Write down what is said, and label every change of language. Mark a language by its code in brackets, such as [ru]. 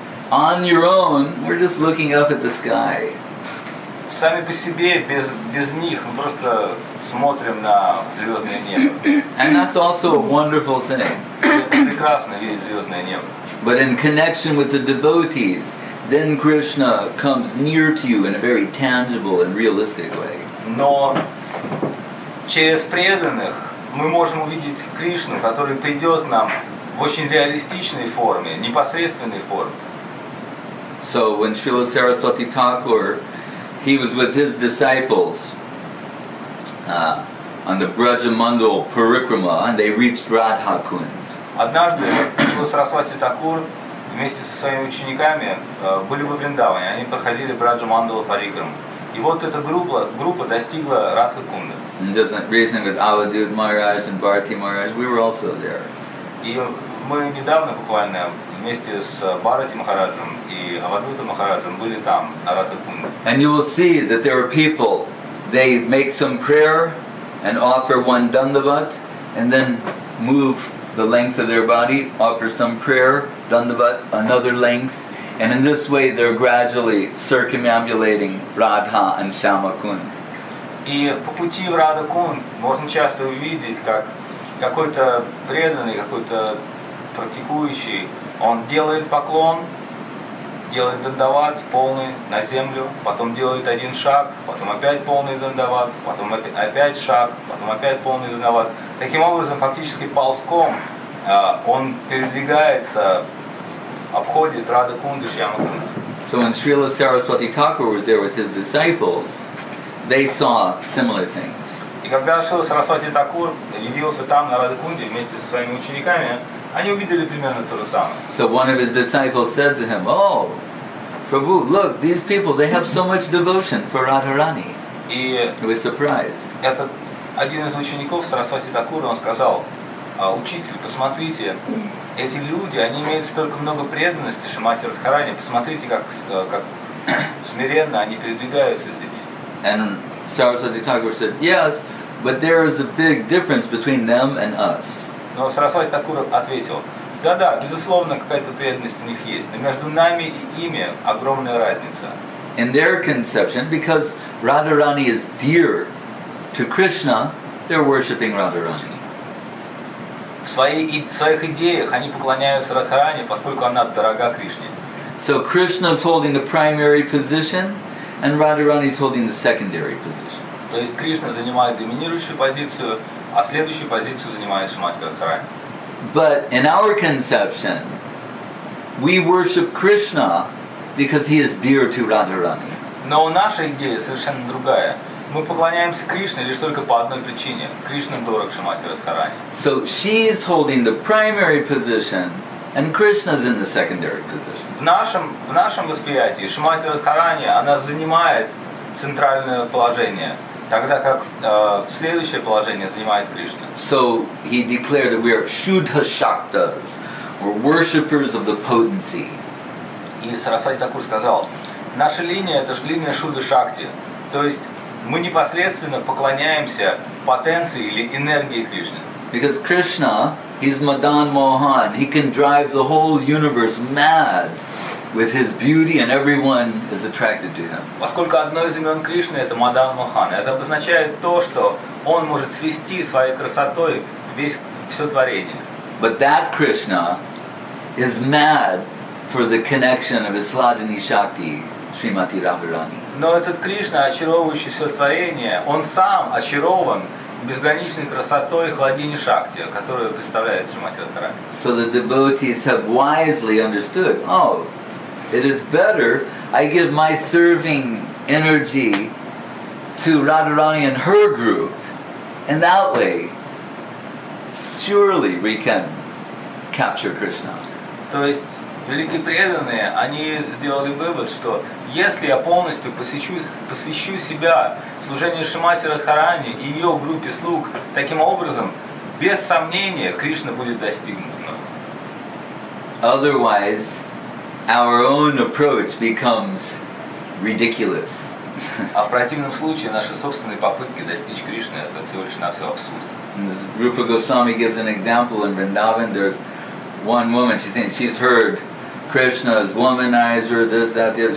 [en] On your own, we're just looking up at the sky. [ru] Сами по себе, без них, мы просто смотрим на звездное небо. [en] And that's also a wonderful thing. [ru] Это прекрасно, видеть звездное небо. [en] But in connection with the devotees, then Krishna comes near to you in a very tangible and realistic way. [ru] Но через преданных мы можем увидеть Кришну, который придет нам в очень реалистичной форме, непосредственной форме. [en] So when Srila Saraswati Thakur, he was with his disciples on the Brajamandal Parikrama, and they reached Radhakund. [ru] Однажды Шрила Сарасвати Такур вместе со своими учениками были во Вриндаване, они проходили Браджа-мандала Парикраму. И вот эта группа достигла Радха-кунды. [en] Reasoning with Avadhut Maharaj and Bharti Maharaj, we were also there. [ru] И мы недавно буквально вместе с Бхарати Махараджем и Авадхутом Махараджем были там, на Радха-кунды. [en] And you will see that there are people, they make some prayer and offer one dandavat, and then move the length of their body, offer some prayer, dandavat, another length, and in this way they're gradually circumambulating Radha and Shyama Kund. [ru] И по пути в Radha Kund можно часто увидеть, как какой-то преданный, какой-то практикующий, он делает поклон, делает дандават полный на землю, потом делает один шаг, потом опять полный дандават, потом опять шаг, потом опять полный дандават. Таким образом, фактически ползком он передвигается, обходит Radha Kund и Shyama Kund. [en] So when Srila Saraswati Thakur was there with his disciples, they saw similar things. [ru] И когда Srila Saraswati Thakur явился там на Radha Kund вместе со своими учениками, они увидели примерно то же самое. [en] So one of his disciples said to him, "Oh, Prabhu, look, these people, they have so much devotion for Radharani." [ru] И [en] he was surprised. [ru] Этот один из учеников Сарасвати Такура, он сказал: «Учитель, посмотрите, эти люди, они имеют столько много преданности Шримати Радхарани, посмотрите, как смиренно они передвигаются здесь». [en] And Saraswati Thakur said, yes, but there is a big difference between them and us. [ru] Но Сарасвати Такур ответил: «Да-да, безусловно, какая-то преданность у них есть, но между нами и ими огромная разница». [en] In their conception, because Radharani is dear to Krishna, they're worshipping Radharani. [ru] В своих идеях они поклоняются Радхаране, поскольку она дорога Кришне. [en] So Krishna is holding the primary position, and Radharani is holding the secondary position. [ru] То есть Кришна занимает доминирующую позицию, А следующую позицию занимается мастер вторая. [en] But in our conception, we worship Krishna because he is dear to Radharani. [ru] Но наша идея совершенно другая. Мы поклоняемся Кришне лишь только по одной причине. Кришна дорог Шримати Радхарани. [en] So she is holding the primary position, and Krishna is in the secondary position. [ru] В нашем восприятии Шримати Радхарани она занимает центральное положение, тогда как следующее положение занимает Кришна. [en] So he declared that we are Shuddha Shaktas, or worshippers of the potency. [ru] И Сарасвати Такур сказал: наша линия — это же линия Шуды Шакти, то есть мы непосредственно поклоняемся потенции или энергии Кришны. [en] Because Krishna, he's Madan Mohan, he can drive the whole universe mad with his beauty, and everyone is attracted to him. [ru] Поскольку одно из имен Кришны — это Мадан Мохан, это обозначает то, что он может свести своей красотой все творение. [en] But that Krishna is mad for the connection of his Ladini Shakti, Shrimati Radharani. [ru] Но этот Кришна, очаровывающий все творение, он сам очарован безграничной красотой Хладини Шакти, которую представляет Шримати Радхарани. [en] So the devotees have wisely understood, oh, it is better I give my serving energy to Radharani and her group, and that way surely we can capture Krishna. [ru] То есть великие преданные, они сделали вывод, что если я полностью посвящу себя служению Шримати Радхарани и ее группе слуг, таким образом, без сомнения, Кришна будет достигнут. [en] Otherwise, our own approach becomes ridiculous. [ru] А в противном случае наши собственные попытки достичь Кришны — это всего лишь навсего абсурд. [en] Rupa Goswami gives an example in Vrindavan. There's one woman, she thinks she's heard Krishna's womanizer, this, that, the other.